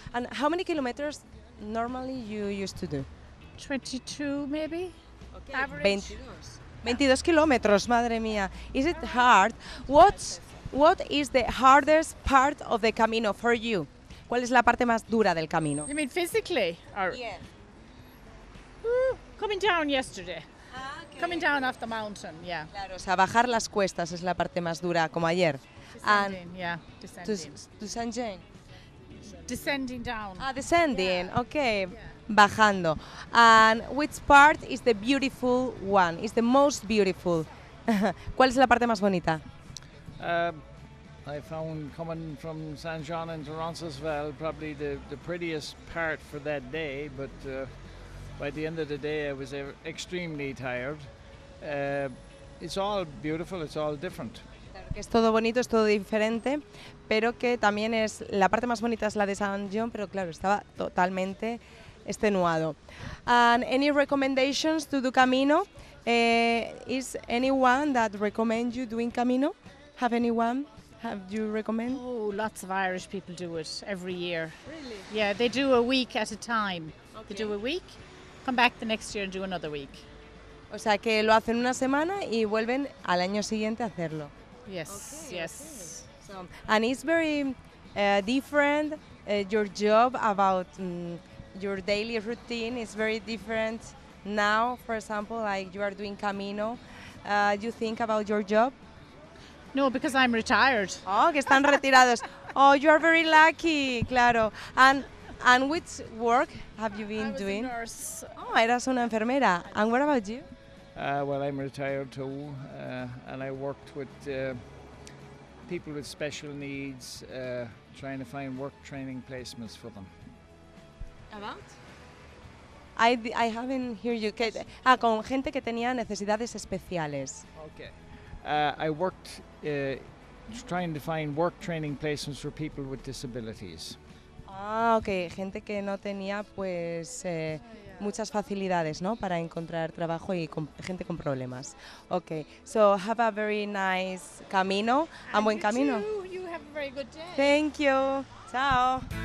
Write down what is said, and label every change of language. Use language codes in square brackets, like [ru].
[en] And how many kilometers normally you used to do? 22 maybe. Okay. Average. 22 kilometers, [es] madre mía. [en] Is it hard? What is the hardest part of the Camino for you? [es] ¿Cuál es la parte más dura del camino? [en] You mean physically? Or yeah. Coming down yesterday. Ah, okay. Coming down off the mountain, yeah. [es] Claro, o sea, bajar las cuestas es la parte más dura, como ayer. [en] Descending, yeah. Descending. To Saint Jean. Descending down. Ah, descending, yeah. Okay. Yeah. [es] Bajando. [en] And which part is the beautiful one? Is the most beautiful? [es] ¿Cuál es la parte más bonita? [en] I found coming from San Juan into Roncesvalles probably the prettiest part for that day, but by the end of the day I was extremely tired. It's all beautiful, it's all different. [es] Es todo bonito, es todo diferente, pero que también es la parte más bonita es la de San Juan, pero claro, estaba totalmente extenuado. [en] And any recommendations to do Camino? Is anyone that recommend you doing Camino? Have you recommend? Oh, lots of Irish people do it every year. Really? Yeah, they do a week at a time. Okay. They do a week, come back the next year and do another week. [es] O sea, que lo hacen una semana y vuelven al año siguiente a hacerlo. [en] Yes, okay, yes. Okay. So, and it's very different, your job about... your daily routine is very different now, for example, like you are doing Camino. Do you think about your job? No, because I'm retired. Oh, [es] que están retirados. [en] Oh, you are very lucky, claro. And which work have you been doing? I was doing? A nurse. Oh, [es] eras una enfermera. [en] And what about you? Well, I'm retired too, and I worked with people with special needs, trying to find work training placements for them. About? I haven't heard you. [es] Con gente que tenía necesidades especiales. [en] Okay. I worked trying to find work training places for people with disabilities. Ah, okay. [es] Gente que no tenía pues muchas facilidades, ¿no? Para encontrar trabajo y gente con problemas. Okay. [en] So have a very nice camino. And [es] buen camino. [en] You have a very good day. Thank you. Chao.